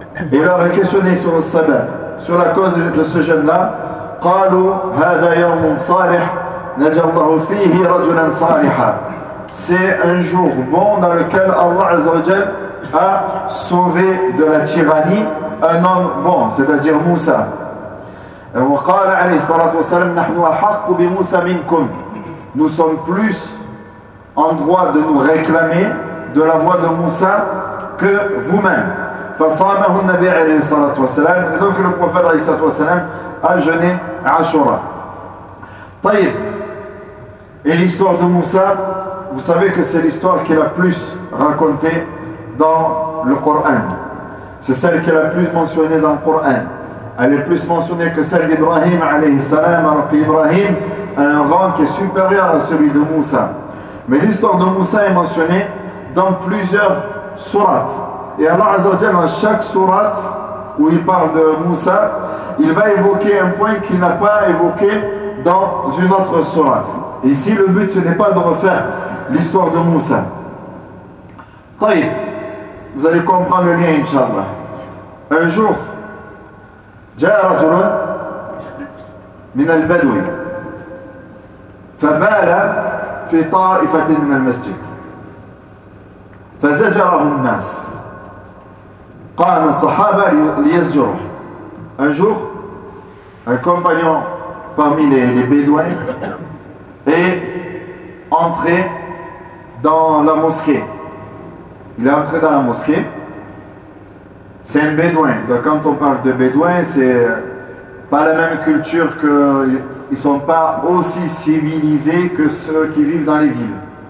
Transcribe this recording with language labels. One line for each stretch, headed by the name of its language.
French: Il leur a questionné sur le sabbat, sur la cause de ce jeûne-là. «
Arabic: Qalu hadha yawmun salih » نجى الله فيه رجلا صالحا.
French: C'est un jour bon dans lequel Allah Azza wa Jal a sauvé de la tyrannie un homme bon, c'est-à-dire Moussa.
Arabic: وقال عليه الصلاة والسلام نحن أحق بموسى منكم.
French: Nous sommes plus en droit de nous réclamer de la voix de Moussa que vous-même.
Arabic: فصامه النبي عليه الصلاة والسلام.
French: Donc le prophète
Arabic: عليه الصلاة والسلام
French: a jeûné Ashura.
Arabic: طيب.
French: Et l'histoire de Moussa, vous savez que c'est l'histoire qui est la plus racontée dans le Coran. C'est celle qui est la plus mentionnée dans le Coran. Elle est plus mentionnée que celle d'Ibrahim alayhi salam, alors qu'Ibrahim a un rang qui est supérieur à celui de Moussa. Mais l'histoire de Moussa est mentionnée dans plusieurs sourates. Et Allah Azza wa Jalla, dans chaque sourate où il parle de Moussa, il va évoquer un point qu'il n'a pas évoqué dans une autre sourate. Ici, le but, ce n'est pas de refaire l'histoire de Moussa. Taïb, vous allez comprendre le lien, Inch'Allah. Un jour,
Arabic: جاء رجل من البدو فبال في طائفة من المسجد فزجره الناس قام الصحابة ليزجره.
French: Un jour, un compagnon parmi les bédouins est entré dans la mosquée. Il est entré dans la mosquée. C'est un bédouin. Donc quand on parle de bédouin, c'est pas la même culture, que ils sont pas aussi civilisés que ceux qui vivent dans les villes.